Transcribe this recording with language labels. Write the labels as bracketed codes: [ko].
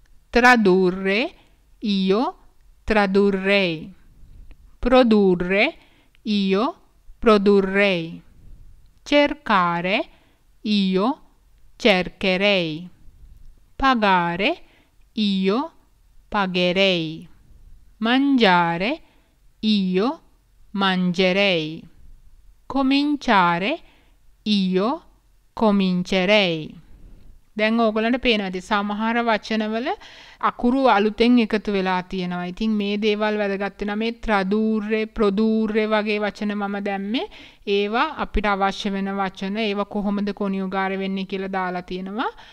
[it] tradurre io tradurrei produrre io produrrei cercare io cercherei pagare io pagherei mangiare io mangerei. Cominciare, io comincerei. [si] දැන් ඕගොල්ලන්ට පේනවාද සමහර වචනවල අකුරු අලුතෙන් එකතු වෙලා තියෙනවා. ඉතින් මේ දේවල් වැදගත් වෙනවා. මේ ත්‍රදූර්රේ ප්‍රදූර්රේ වගේ වචන මම දැම්මේ. ඒවා අපිට අවශ්‍ය වෙන වචන. ඒවා කොහොමද කොනියුගාර වෙන්නේ කියලා දාලා තියෙනවා.